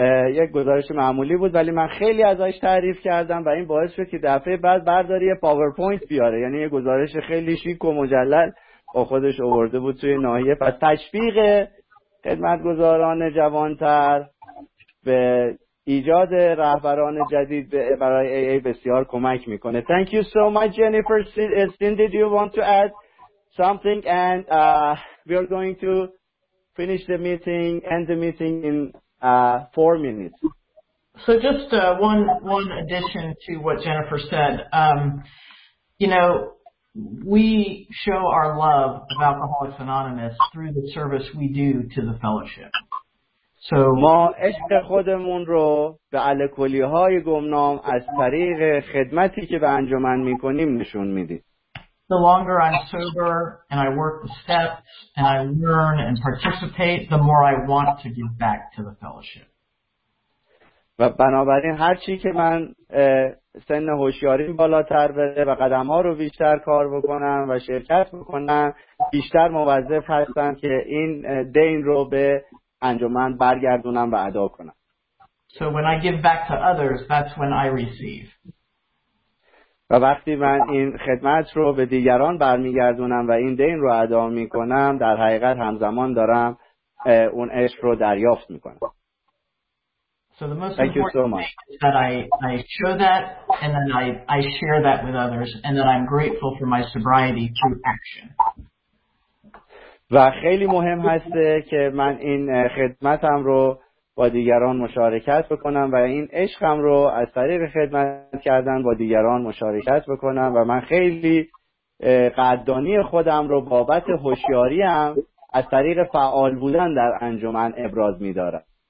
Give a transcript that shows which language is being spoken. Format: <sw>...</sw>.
<fa>یک گزارش معمولی بود ولی من خیلی ازش تعریف کردم و این باعث شد که دفعه بعد برداری پاورپوینت بیاره یعنی یه گزارش خیلی شیک و مجلل با خودش آورده بود توی ناحیه پس تشویق خدمتگزاران جوانتر به ایجاد رهبران جدید برای AA بسیار کمک میکنه.</fa> <en>Thank you so much, Jennifer. Sin, did you want to add something? And we are going to finish the meeting, end the meeting in 4 minutes. So just one addition to what Jennifer said. You know, we show our love of Alcoholics Anonymous through the service we do to the fellowship. So,</en> <fa>ما عشق خودمون رو به الکلی‌های گمنام از طریق خدمتی که به انجمن می‌کنیم نشون میدیم.</fa> <en>The longer I'm sober and I work the steps and I learn and participate, the more I want to give back to the fellowship.</en> <fa>و بنابراین هر چی که من سن هوشیاری بالاتر بره و قدم‌ها رو بیشتر کار بکنم و شرکت بکنم، بیشتر موظف هستم که این دین رو به انجمن برگردونم و ادا کنم.</fa> <en>So when I give back to others, that's when I receive.</en> <fa>و وقتی من این خدمت رو به دیگران برمیگردونم و این دین رو ادا میکنم، در حقیقت همزمان دارم اون عشق رو دریافت میکنم.</fa> <en>So the most important thing is that I show that and then I share that with others and then I'm grateful for my sobriety through action.</en> <fa>و خیلی مهم هسته که من این خدمتم رو با دیگران مشارکت بکنم و این عشقم رو از طریق خدمت کردن با دیگران مشارکت بکنم و من خیلی قدردانی خودم رو بابت هوشیاریم از طریق فعال بودن در انجمن ابراز می‌دارم.</fa>